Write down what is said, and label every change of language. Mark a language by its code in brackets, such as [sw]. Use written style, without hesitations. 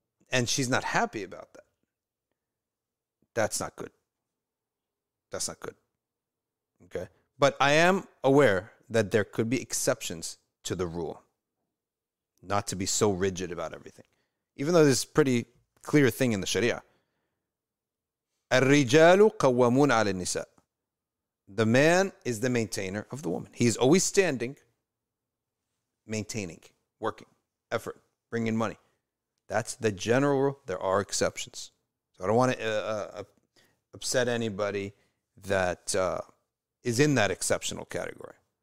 [en] And she's not happy about that. That's not good. Okay? But I am aware that there could be exceptions to the rule. Not to be so rigid about everything. Even though there's a pretty clear thing in the Sharia. [ar] الرجال قوامون على النساء. [en] The man is the maintainer of the woman. He's always standing, maintaining, working, effort, bringing money. That's the general rule. There are exceptions. So I don't want to upset anybody that is in that exceptional category.